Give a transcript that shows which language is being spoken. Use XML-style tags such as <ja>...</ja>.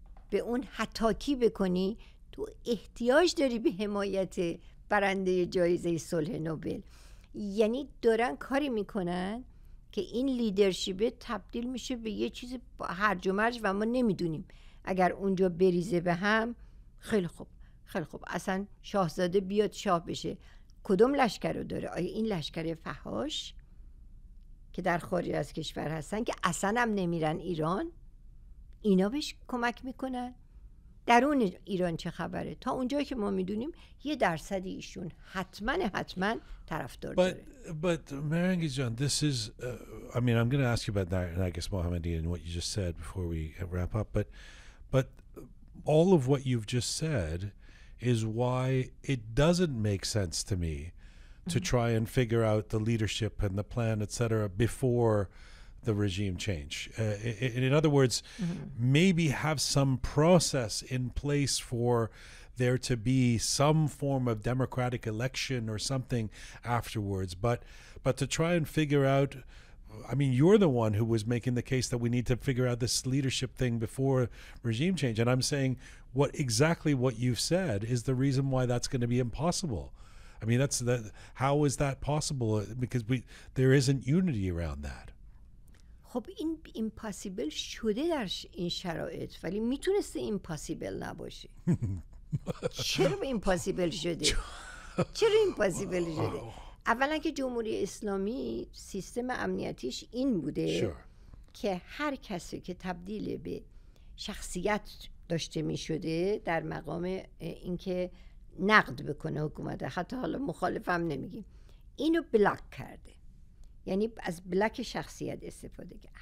<fa>به اون هتاکی بکنی؟ تو احتیاج داری به حمایت برنده جایزه صلح نوبل؟ یعنی دارن کاری میکنن که این لیدرشیپ تبدیل میشه به یه چیز هرج و مرج، و ما نمیدونیم اگر اونجا بریزه به هم، خیلی خوب خیلی خوب، اصلا شاهزاده بیاد شاه بشه، کدوم لشکر رو داره؟ آیا این لشکر فحاش که در خارج از کشور هستن که اصلا هم نمیرن ایران، اینا بهش کمک میکنن؟ درون ایران چه خبره؟ تا اونجایی که ما میدونیم یه درصدی ایشون حتما طرفدار داره.</fa> <en>But Mehrangiz جان, this is I mean I'm going to ask you about that, I guess Mohammadi and what you just said before we wrap up, but all of what you've just said is why it doesn't make sense to me to try and figure out the leadership and the plan, et cetera, before the regime change. In other words, maybe have some process in place for there to be some form of democratic election or something afterwards. But to try and figure out, I mean, you're the one who was making the case that we need to figure out this leadership thing before regime change. And I'm saying what exactly what you've said is the reason why that's going to be impossible. I mean, that's the, how is that possible? Because there isn't unity around that.</en> <fa>خب این impossible شده در این شرایط، ولی میتونسته impossible نباشه. چرا impossible شده؟ چرا impossible شده؟ اولا که جمهوری اسلامی سیستم امنیتیش این بوده که هر کسی که تبدیل به شخصیت داشته میشده در مقام اینکه نقد بکنه حکومت، حتی حالا مخالفم نمیگیم، اینو بلاک کرده، یعنی از بلاک شخصیت استفاده کرده.</fa>